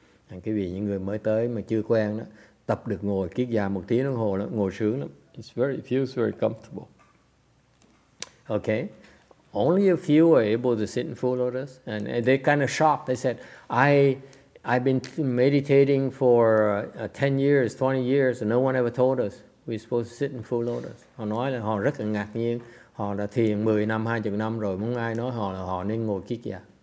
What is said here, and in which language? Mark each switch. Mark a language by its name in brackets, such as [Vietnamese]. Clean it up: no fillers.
[Vietnamese] And cái vị những người mới tới mà chưa quen đó, tập được ngồi kiết già một tiếng đồng hồ đó, ngồi sướng lắm. [English] It feels very comfortable. Okay, only a few are able to sit in full lotus, and they kind of shocked. They said, I've been meditating for 10 years, 20 years, and no one ever told us we're supposed to sit in full lotus. [Vietnamese] Họ nói là họ rất là ngạc nhiên. Họ đã thiền 10 năm, 20 năm rồi, muốn ai nói họ là họ nên ngồi kiết già.